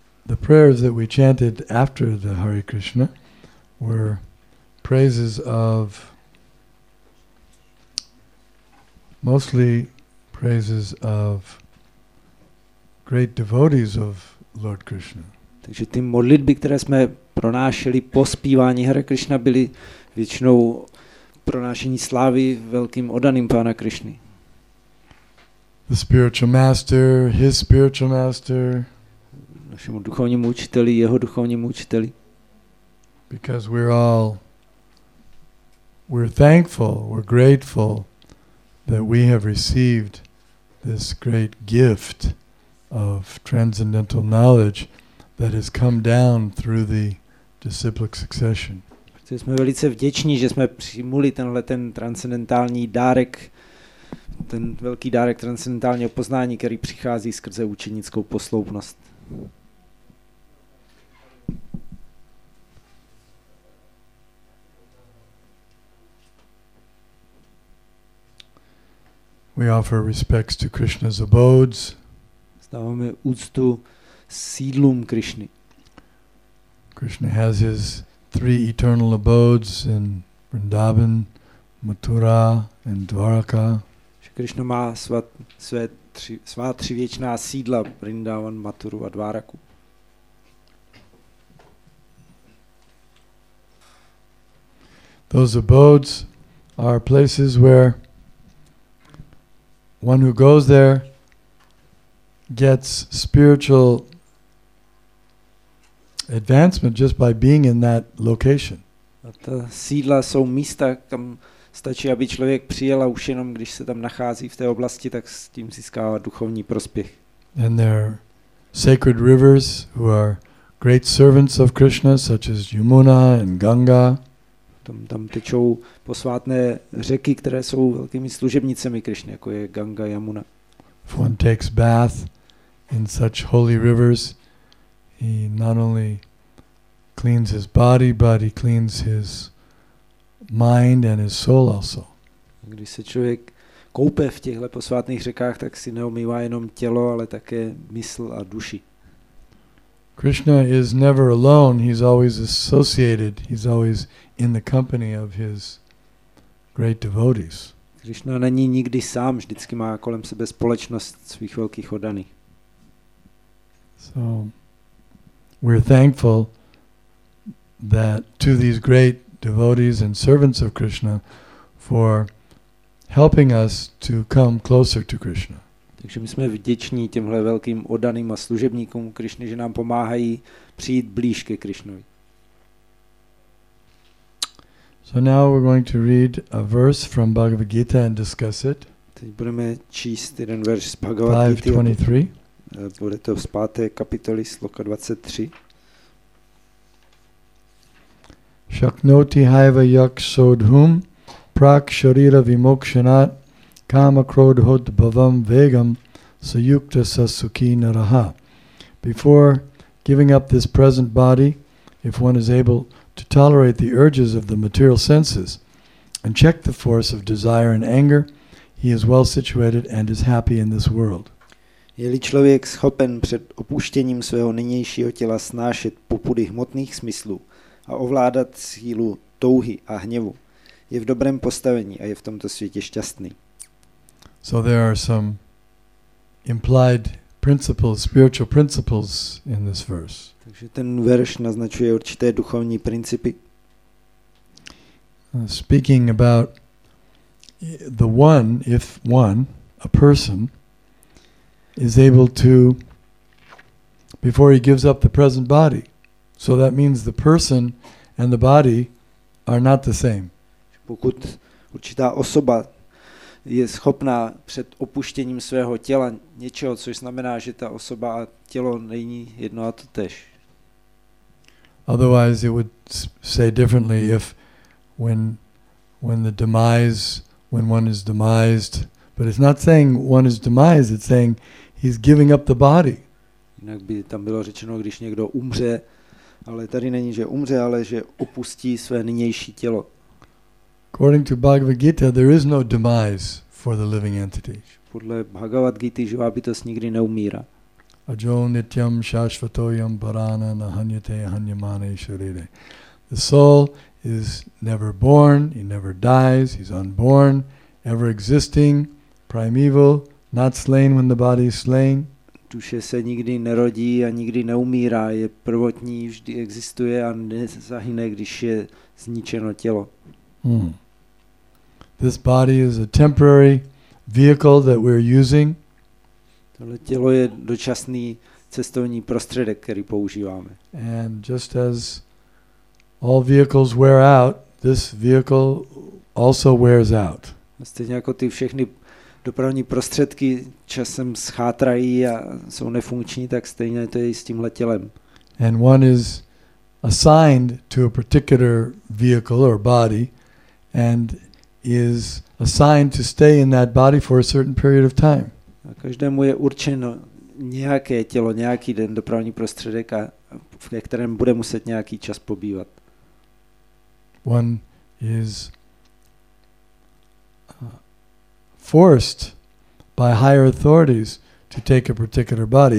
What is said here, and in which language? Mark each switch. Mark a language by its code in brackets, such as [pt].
[en] the prayers that we chanted after the Hare Krishna were praises of, mostly praises of great devotees of Lord Krishna. [cs] Takže ty modlitby, které jsme pronášeli po zpívání Hare Krishna, byly většinou pronášení slávy velkým oddaným Pána Krishny. [en] The spiritual master, his spiritual master. [cs] Našemu duchovnímu učiteli, jeho duchovnímu učiteli. [en] Because we're thankful, we're grateful that we have received this great gift of transcendental knowledge that has come down through the disciplic succession. [cs] Jsme velice vděční, že jsme přijmuli tenhle ten transcendentální dárek, ten velký dárek transcendentálního poznání, který přichází skrze učenickou posloupnost. [en] We offer respects to Krishna's abodes. [cs] Vzdáváme úctu sídlům Krishny. [en] Krishna has his three eternal abodes in Vrindavan, Mathura and Dvaraka. [cs] Krishna má svá tři věčná sídla, Vrindavan, Mathuru a Dvaraku. [en] Those abodes are places where one who goes there gets spiritual advancement just by being in that location. [cs] A ta sídla jsou místa, kam stačí, aby člověk přijel, a už jenom když se tam nachází v té oblasti, tak s tím získává duchovní prospěch. [en] And there are sacred rivers who are great servants of Krishna, such as Yamuna and Ganga. [cs] Tam tečou posvátné řeky, které jsou velkými služebnicemi Krishny, jako je Ganga, Yamuna. [en] If one takes bath in such holy rivers, he not only cleans his body, but he cleans his mind and his soul also. [cs] Když se člověk koupe v těchto posvátných řekách, tak si neumývá jenom tělo, ale také mysl a duši. [en] Krishna is never alone, he's always associated, he's always in the company of his great devotees. [cs] Krishna není nikdy sám, vždycky má kolem sebe společnost svých velkých oddaných. [en] So we're thankful that to these great devotees and servants of Krishna for helping us to come closer to Krishna. [cs] Takže my jsme vděční těmhle velkým oddaným a služebníkům Krishny, že nám pomáhají přijít blíž ke Krishnovi. [en] So now we're going to read a verse from Bhagavad Gita and discuss it. [cs] Teď budeme číst jeden verš z Bhagavad Gita. 5:23. Bude to z 5. kapitoly sloka 23. [sa] Shaknoti haiva yakshodhum prak sharira vimokshanat kama krodhot bhavam vegam sayukta sasukhi naraha. [en] Before giving up this present body, if one is able to tolerate the urges of the material senses and check the force of desire and anger, he is well situated and is happy in this world. [cs] Je-li člověk schopen před opuštěním svého nynějšího těla snášet popudy hmotných smyslů a ovládat sílu touhy a hněvu, je v dobrém postavení a je v tomto světě šťastný. [en] So there are some implied principles, spiritual principles in this verse. [cs] Takže ten verš naznačuje určité duchovní principy. [en] Speaking about the one, if one, a person, is able to, before he gives up the present body. So that means the person and the body are not the same. [cs] Pokud určitá osoba je schopná před opuštěním svého těla něčeho, což znamená, že ta osoba a tělo není jedno a to tež. [en] Otherwise it would say differently if when one is demised, but it's not saying one is demised, it's saying he's giving up the body. [cs] Jinak by tam bylo řečeno, když někdo umře, ale tady není, že umře, ale že opustí své nynější tělo. [en] According to Bhagavad Gita, there is no demise for the living entity. [cs] Podle Bhagavad Gita živá bytost nikdy neumírá. [sa] Ajol nityam shashvatoyam parana nahanyate hanyamane sharire. [en] The soul is never born, he never dies, he's unborn, ever existing, primeval, not slain when the body is slain. [cs] Duše se nikdy nerodí a nikdy neumírá, je prvotní, vždy existuje a nezahyne, když je zničeno tělo. Hmm. [en] This body is a temporary vehicle that we're using. [cs] Tohle tělo je dočasný cestovní prostředek, který používáme. [en] And just as all vehicles wear out, this vehicle also wears out. [cs] Stejně jako ty všechny dopravní prostředky časem schátrají a jsou nefunkční, tak stejně to je i s tímhle tělem. [en] And one is assigned to a particular vehicle or body and is assigned to stay in that body for a certain period of time. [cs] A každému je určeno nějaké tělo, nějaký den dopravní prostředek, a v kterém bude muset nějaký čas pobývat. [en] One is forced by higher authorities to take a particular body.